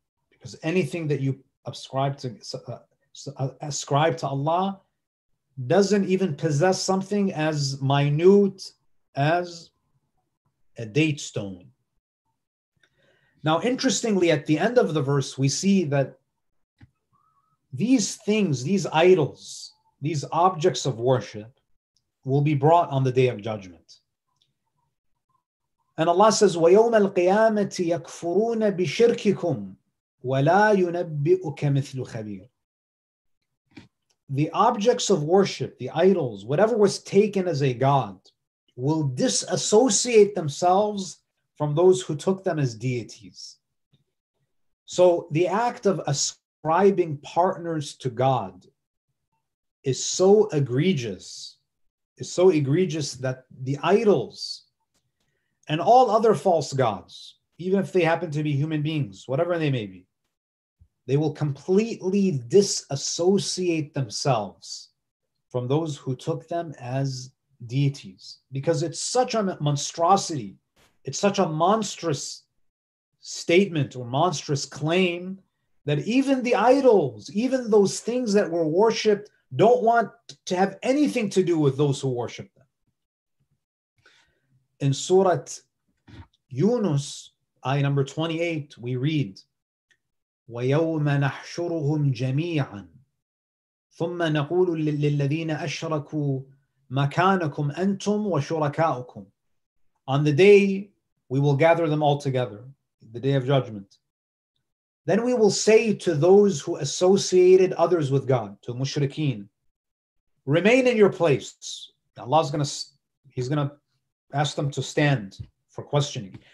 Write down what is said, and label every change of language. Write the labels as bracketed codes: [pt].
[en] Because anything that you ascribe to Allah doesn't even possess something as minute as a date stone. Now, interestingly, at the end of the verse, we see that these things, these idols, these objects of worship will be brought on the Day of Judgment. And Allah says, [ar] وَيَوْمَ الْقِيَامَةِ يَكْفُرُونَ بِشِرْكِكُمْ وَلَا يُنَبِّئُكَ مِثْلُ خَبِيرٌ. [en] The objects of worship, the idols, whatever was taken as a god, will disassociate themselves from those who took them as deities. So the act of ascribing partners to God is so egregious that the idols and all other false gods, even if they happen to be human beings, whatever they may be, they will completely disassociate themselves from those who took them as deities. Because it's such a monstrosity, it's such a monstrous statement or monstrous claim, that even the idols, even those things that were worshipped, don't want to have anything to do with those who worship them. In Surah Yunus, ayah number 28, we read, [ar] وَيَوْمَ نَحْشُرُهُمْ جَمِيعًا ثُمَّ نَقُولُ لِلَّذِينَ أَشْرَكُوا مَكَانَكُمْ أَنْتُمْ وَشُرَكَاؤُكُمْ. [en] On the day, we will gather them all together, the Day of Judgment. Then we will say to those who associated others with God, to mushrikeen, remain in your place. Allah's gonna ask them to stand for questioning.